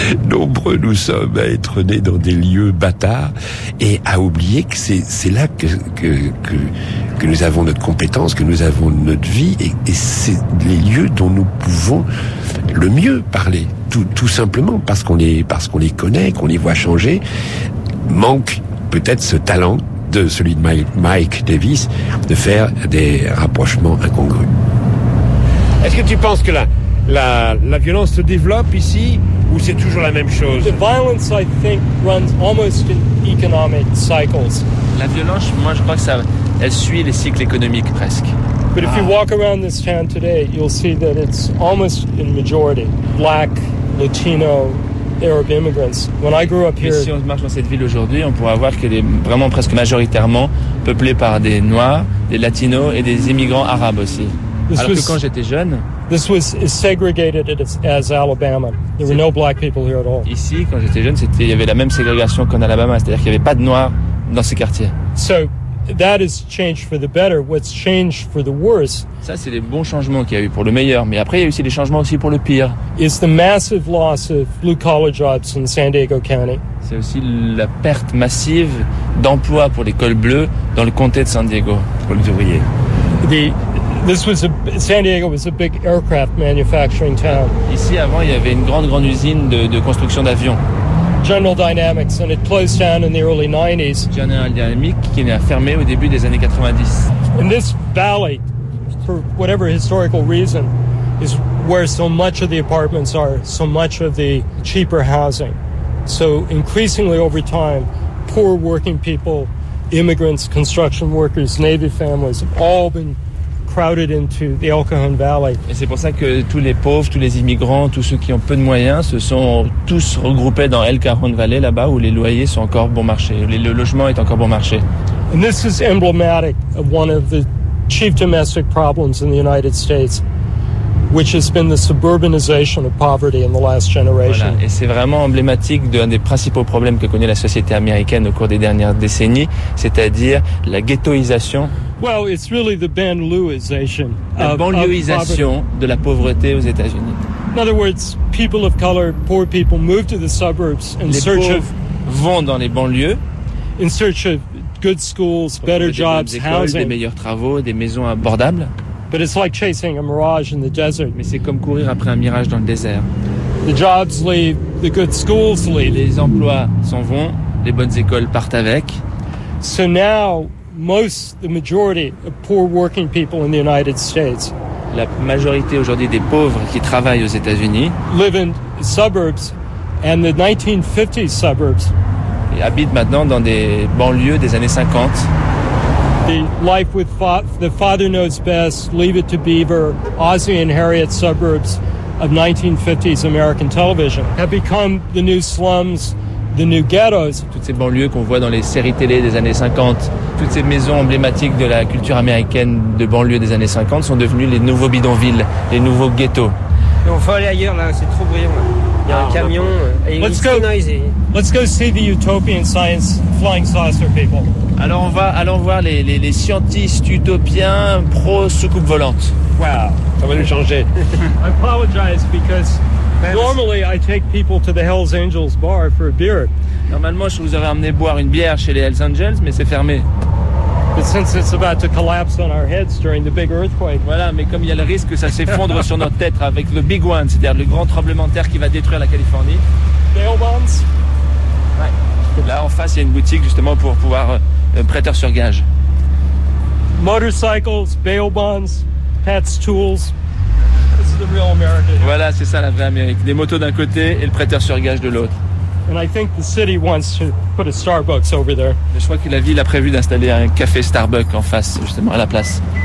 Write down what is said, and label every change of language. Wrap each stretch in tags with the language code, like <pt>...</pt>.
<fr>Nombreux nous sommes à être nés dans des lieux bâtards et à oublier que c'est là que nous avons notre compétence, que nous avons notre vie et c'est les lieux dont nous pouvons le mieux parler, tout simplement parce qu'on les connaît, qu'on les voit changer. Manque peut-être ce talent de celui de Mike Davis de faire des rapprochements incongrus. Est-ce que tu penses que la violence se développe ici ou c'est toujours la même chose?</fr> <en>The violence, I think, runs almost in economic cycles.</en> <fr>La violence, moi, je crois que ça, elle suit les cycles économiques presque.</fr> <en>But if you walk around this town today, you'll see that it's almost in majority black, Latino, Arab immigrants. When I grew up here,</en> <fr>si on marche dans cette ville aujourd'hui, on pourra voir qu'elle est vraiment presque majoritairement peuplée par des Noirs, des Latinos et des immigrants arabes aussi. Alors que quand j'étais jeune,</fr> <en>this was segregated as Alabama. There were no black people here at all.</en> <fr>Ici, quand j'étais jeune, il y avait la même ségrégation qu'en Alabama, c'est-à-dire qu'il n'y avait pas de Noirs dans ces quartiers.</fr> <en>So that has changed for the better. What's changed for the worse?</en> <fr>Ça, c'est les bons changements qu'il y a eu pour le meilleur, mais après, il y a eu aussi des changements aussi pour le pire.</fr> <en>It's the massive loss of blue-collar jobs in San Diego County.</en> <fr>C'est aussi la perte massive d'emplois pour les cols bleus dans le comté de San Diego pour les ouvriers.</fr> <en>San Diego was a big aircraft manufacturing town.</en> <fr>Ici, avant, il y avait une grande usine de construction d'avions.</fr> <en>General Dynamics, and it closed down in the early 90s.</en> <fr>General Dynamics, qui a fermé au début des années 90.</fr> <en>And this valley, for whatever historical reason, is where so much of the apartments are, so much of the cheaper housing. So increasingly over time, poor working people, immigrants, construction workers, Navy families have all been crowded into the El Cajon Valley.</en> <fr>Et c'est pour ça que tous les pauvres, tous les immigrants, tous ceux qui ont peu de moyens se sont tous regroupés dans El Cajon Valley, là-bas où les loyers sont encore bon marché, le logement est encore bon marché.</fr> <en>And this is emblematic of one of the chief domestic problems in the United States, which has been the suburbanization of poverty in the last generation.</en> <fr>Voilà. Et c'est vraiment emblématique d'un des principaux problèmes que connaît la société américaine au cours des dernières décennies, c'est-à-dire la ghettoisation.</fr> <en>Well, it's really the banlieuisation.</en> <fr>La banlieuisation de la pauvreté aux États-Unis.</fr> <en>In other words, people of color, poor people, move to the suburbs in search of.</en> <fr>Vont dans les banlieues.</fr> <en>In search of good schools, better jobs, housing.</en> <fr>Des meilleurs travaux, des maisons abordables.</fr> <en>But it's like chasing a mirage in the desert.</en> <fr>Mais c'est comme courir après un mirage dans le désert.</fr> <en>The jobs leave, the good schools leave.</en> <fr>Les emplois s'en vont, les bonnes écoles partent avec.</fr> <en>So now, the majority of poor working people in the United States.</en> <fr>La majorité aujourd'hui des pauvres qui travaillent aux États-Unis</fr> <en>live in suburbs and the 1950s suburbs.</en> <fr>Et habitent maintenant dans des banlieues des années 50.</fr> <en>The life with the father knows best, leave it to Beaver, Ozzie and Harriet suburbs of 1950s American television have become the new slums. The new ghettos.</en> <fr>Toutes ces banlieues qu'on voit dans les séries télé des années 50, toutes ces maisons emblématiques de la culture américaine de banlieue des années 50 sont devenues les nouveaux bidonvilles, les nouveaux ghettos. Mais on va aller ailleurs là, c'est trop bruyant. Il y a un camion.</fr> <en>Let's go see the utopian science flying saucer people.</en> <fr>Alors allons voir les scientifiques utopiens pro soucoupe volante. Wow, ça va nous changer.</fr> <en>I apologize because. Normally, I take people to the Hell's Angels bar for a beer.</en> <fr>Normalement, je vous aurais amené boire une bière chez les Hell's Angels, mais c'est fermé.</fr> <en>But since it's about to collapse on our heads during the big earthquake.</en> <fr>Voilà, mais comme il y a le risque que ça s'effondre sur notre tête avec le big one, c'est-à-dire le grand tremblement de terre qui va détruire la Californie.</fr> <en>Bail bonds.</en> <fr>Ouais. Là, en face, il y a une boutique justement pour pouvoir prêteur sur gage.</fr> <en>Motorcycles, bail bonds, pets, tools. The real America.</en> <fr>Voilà, c'est ça la vraie Amérique. Des motos d'un côté et le prêteur sur gage de l'autre.</fr> <en>And I think the city wants to put a Starbucks over there.</en> <fr>Je crois que la ville a prévu d'installer un café Starbucks en face, justement à la place.</fr>